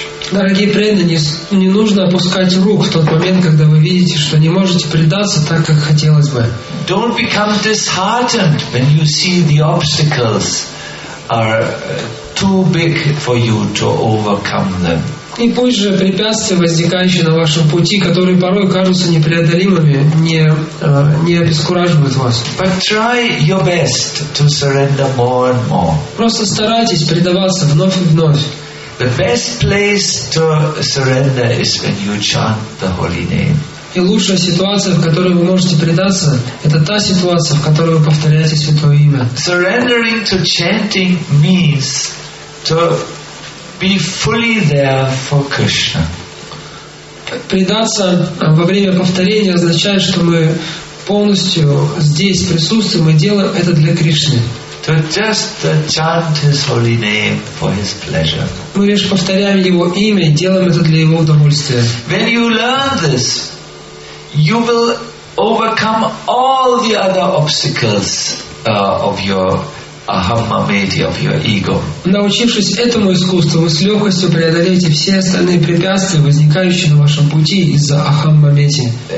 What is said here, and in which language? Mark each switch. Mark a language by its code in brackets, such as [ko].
[ru] Дорогие преданные, не нужно опускать рук в тот момент, когда вы видите, что не можете предаться так, как хотелось бы. [en] Don't become disheartened when you see the obstacles are too big for you to overcome them. [ru] И пусть же препятствия, возникающие на вашем пути, которые порой кажутся непреодолимыми, не обескураживают вас. [en] But try your best to surrender more and more. [ru] Просто старайтесь предаваться вновь и вновь. [en] The best place to surrender is when you chant the holy name. [ru] И лучшая ситуация, в которой вы можете предаться, это та ситуация, в которой вы повторяете Святое Имя. [en] Surrendering to chanting means to be fully there for Krishna. [ru] Предаться во время повторения означает, что мы полностью здесь присутствуем и делаем это для Кришны. [en] To just chant His holy name for His pleasure. [ru] Мы лишь повторяем Его имя и делаем это для Его удовольствия. [en] When you learn this, you will overcome all the other obstacles of your Ahamamedi, of your ego. [ru] Научившись этому искусству, вы с легкостью преодолеете все остальные препятствия, возникающие на вашем пути из-за Ахаммамети.